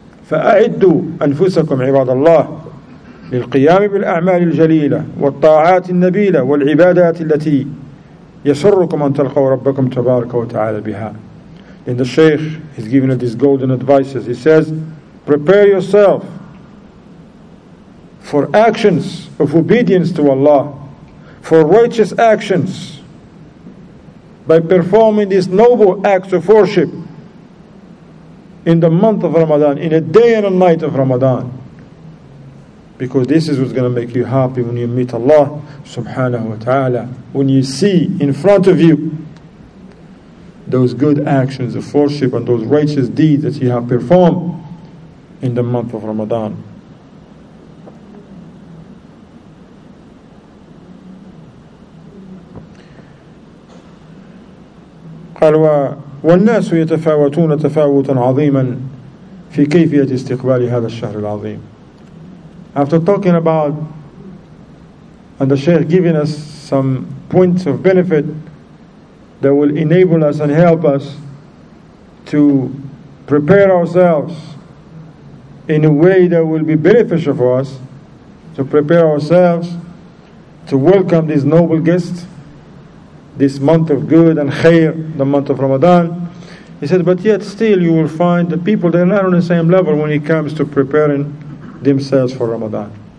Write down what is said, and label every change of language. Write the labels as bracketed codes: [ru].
[ar] فأعدوا أنفسكم عباد الله للقيام بالأعمال الجليلة والطاعات النبيلة والعبادات التي يسركم أن تلقوا ربكم تبارك وتعالى بها. [en] And the Shaykh is giving these golden advices. He says, prepare yourself for actions of obedience to Allah, for righteous actions, by performing these noble acts of worship in the month of Ramadan, in a day and a night of Ramadan. Because this is what's going to make you happy when you meet Allah subhanahu wa ta'ala. When you see in front of you those good actions of worship and those righteous deeds that you have performed in the month of Ramadan. [ar] قال والناس يتفاوتون تفاوتا عظيما في كيفية استقبال هذا الشهر العظيم. [en] After talking about, and the Shaykh giving us some points of benefit that will enable us and help us to prepare ourselves in a way that will be beneficial for us, to prepare ourselves to welcome this noble guest, this month of good and khair, the month of Ramadan, he said, but yet still you will find the people, they're not on the same level when it comes to preparing themselves for Ramadan.